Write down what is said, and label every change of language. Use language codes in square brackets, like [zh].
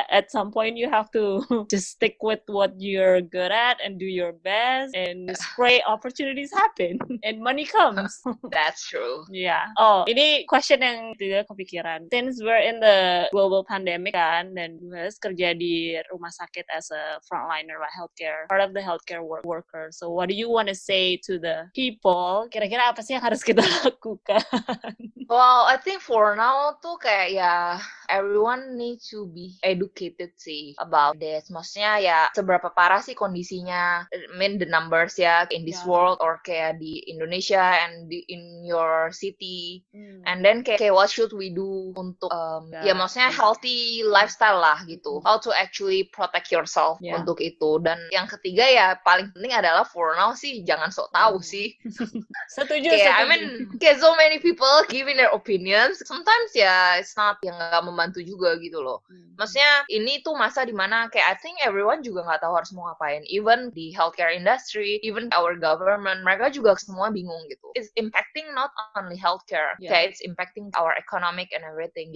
[en] At some point you have to just stick with what you're good at and do your best and great opportunities happen and money comes. That's true. [id] Yeah. Oh, ini question yang tidak kepikiran. [en] Since we're in the global pandemic kan, [id] dan gue kerja di rumah sakit [en] as a frontliner lah, healthcare, part of the healthcare worker. So what do you want to say to the people? [id] Kira-kira apa sih yang harus kita lakukan? [en] Well, I think for now [id] tuh kayak ya [en] everyone need to be educated sih about this. [id] Maksudnya ya seberapa parah sih kondisinya, [en] I mean the numbers [id] ya [en] in this world [id] or kayak di Indonesia and di, [en] in your city. And then kayak okay, what should we do [id] untuk ya maksudnya [en] healthy lifestyle lah gitu. How to actually protect yourself [id] untuk itu. Dan yang ketiga ya paling penting adalah [en] for now [id] sih jangan sok tahu sih. Setuju. Kayak setuju. [en] I mean [id] kayak [en] so many people giving their opinions. [id] Sometimes ya [en] it's not [id] yang gak membantu juga gitu loh. Maksudnya ini tuh masa dimana kayak [en] I think everyone [id] juga gak tahu harus mau ngapain. Even di healthcare industry, [en] even our government, [id] mereka juga semua bingung gitu. [en] It's impacting not only healthcare. [id] Kayak [en] it's impacting our economic and everything.